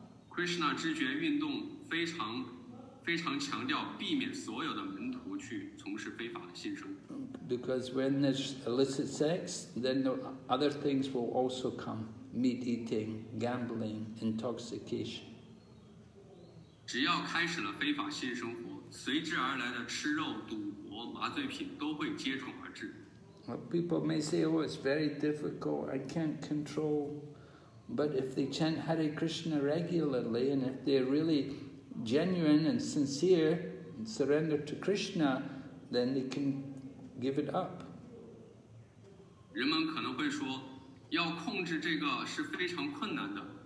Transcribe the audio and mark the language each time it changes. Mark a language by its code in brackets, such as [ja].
[zh] Krishna 知觉运动非常强调避免所有的门徒去从事非法的性生活。 [en] Because when there's illicit sex, then other things will also come: meat eating, gambling, intoxication. [zh] 只要开始了非法性生活，随之而来的吃肉、赌博、麻醉品都会接踵而至。 [en] Well, people may say, "Oh, it's very difficult. I can't control." But if they chant Hare Krishna regularly, and if they really genuine and sincere and surrender to Krishna, then they can give it up. [zh] 人们可能会说, 要控制这个是非常困难的,